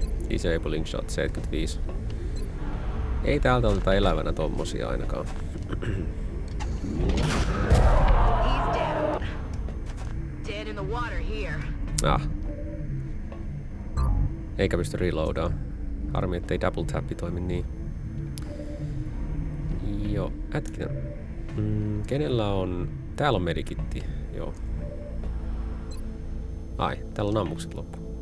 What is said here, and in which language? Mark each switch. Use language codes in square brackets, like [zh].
[en] Disabling shot 75. [fi] Ei täältä oteta elävänä tommosia ainakaan. [en] He's dead in the water here. Ah. [fi] Eikä pysty reloadaan. Harmi, ettei double tappi toimi niin. Joo, hetkinen. Kenellä on... Täällä on medikitti. Joo. Ai, täällä on ammukset loppu.